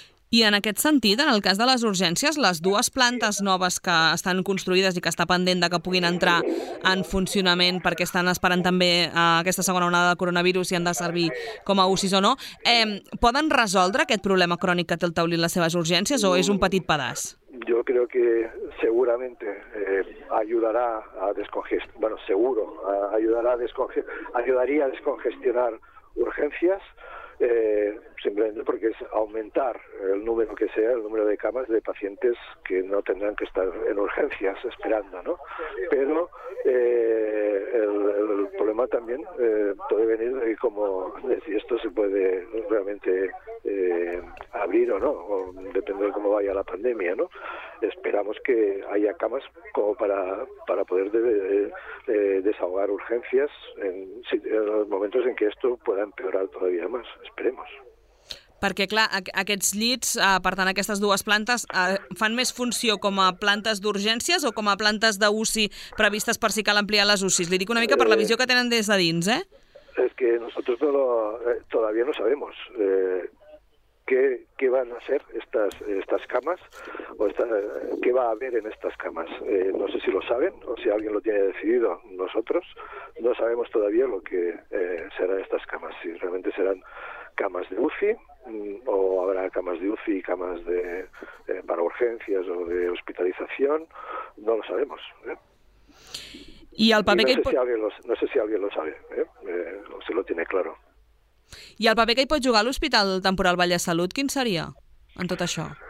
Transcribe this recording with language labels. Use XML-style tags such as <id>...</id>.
<ca>I en aquest sentit, en el cas de les urgències, les dues plantes noves que estan construïdes i que està pendent de que puguin entrar en funcionament perquè estan esperant també aquesta segona onada de coronavirus i han de servir com a UCIs o no, poden resoldre aquest problema crònic que té el Taulí en les seves urgències o és un petit pedaç?</ca> <es>Yo creo que seguramente ayudará a descongestionar, bueno, seguro, ayudaría a descongestionar urgencias, simplemente porque es aumentar el número que sea, el número de camas de pacientes que no tendrán que estar en urgencias esperando, ¿no? Pero el problema también puede venir de cómo, de si esto se puede realmente abrir o no, o depende de cómo vaya la pandemia, ¿no? Esperamos que haya camas como para poder desahogar urgencias en los momentos en que esto pueda empeorar todavía más. Esperemos.</es> <ca>Perquè, clar, aquests llits, per tant, aquestes dues plantes, fan més funció com a plantes d'urgències o com a plantes d'UCI previstes per si cal ampliar les UCIs? Li dic una mica per la visió que tenen des de dins, eh?</ca> <es>Es que nosotros todavía no sabemos qué van a ser estas camas o qué va a haber en estas camas. No sé si lo saben o si alguien lo tiene decidido. Nosotros no sabemos todavía lo que serán estas camas, si realmente serán camas de UCI o habrá camas de UCI y camas de para urgencias o de hospitalización. No lo sabemos, ¿eh?</es> <ca>Y el paper que</ca> <es>no sé si alguien lo sabe, o si lo tiene claro.</es> <ca>I el paper que hi pot jugar a l'Hospital Temporal Vall de Salut, quin seria en tot això?</ca>